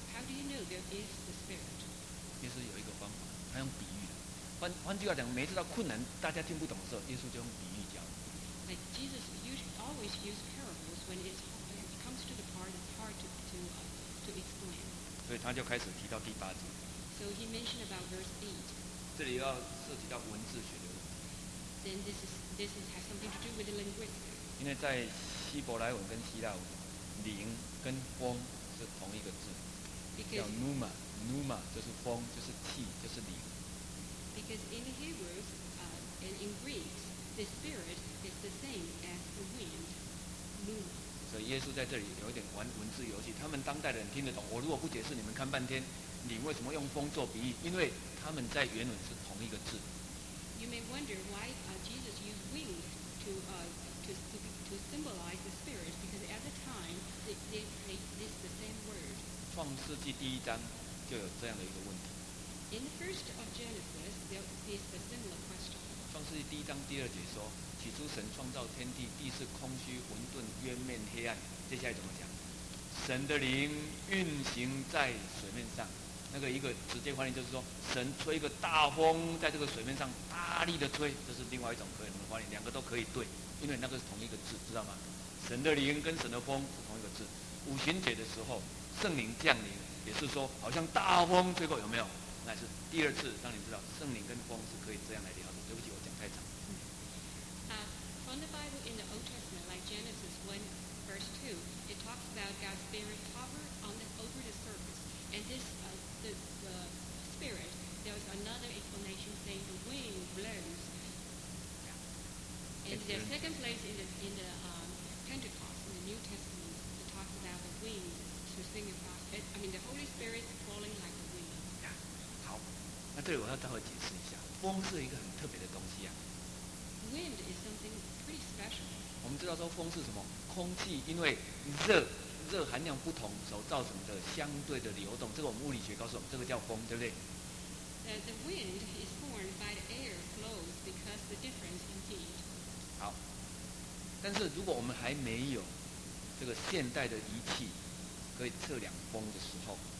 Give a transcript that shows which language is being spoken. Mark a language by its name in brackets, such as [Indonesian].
[English] How do you know there is the Spirit? [Chinese] 耶稣有一个方法，他用比喻。换句话讲，每次到困难，大家听不懂的时候，耶稣就用比喻讲。 [English] But Jesus usually always use parables when it comes to the part that's hard to explain. [Chinese] 所以他就开始提到第八节。 [English] So he mentioned about verse 8. [Chinese] 这里要涉及到文字学的问题。 [English] Then this has something to do with the linguistics. [Chinese] 因为在希伯来文跟希腊文，灵跟风是同一个字， [English] because、 [Chinese] 叫 pneuma。pneuma 就是风，就是气，就是灵。 [English] Because in Hebrew and in Greek, the spirit is the same as the wind, pneuma. [Chinese] 所以耶稣在这里有一点玩文字游戏，他们当代的人听得懂。我如果不解释，你们看半天，灵为什么用风做比喻？因为他们在原文是同一个字。 You may wonder why Jesus used wind to symbolize the spirit, because at the time they use the same word. 创世纪第一章就有这样的一个问题。 In the first of Genesis, there is a similar question. 创世纪第一章第二节说，起初神创造天地，地是空虚混沌，渊面黑暗。接下来怎么讲？神的灵运行在水面上。那个一个直接翻译就是说，神吹一个大风在这个水面上大力的吹，这是另外一种可能的翻译，两个都可以对，因为那个是同一个字，知道吗？神的灵跟神的风是同一个字。五旬节的时候，圣灵降临也是说，好像大风吹过，有没有？那是第二次让你知道圣灵跟风是可以这样来聊的。对不起，我讲太长。 [English] From the Bible in the Old Testament, like Genesis 1 verse 2, it talks about God's Spirit over the surface, and this the spirit, there was another explanation saying the wind blows. And the second place in the Pentecost, in the New Testament, it talks about the wind to signify, the Holy Spirit falling like the wind. Yeah. [Chinese] 好，那这里我要稍微解释一下，风是一个很特别的东西啊。 [English] Wind is something pretty special. [Chinese] 我们知道说风是什么？空气，因为热。热含量不同所造成的相对的流动，这个我们物理学告诉我们，这个叫风，对不对？ [English] The wind is formed by the air flows because the difference in heat. [Chinese] 好，但是如果我们还没有这个现代的仪器可以测量风的时候，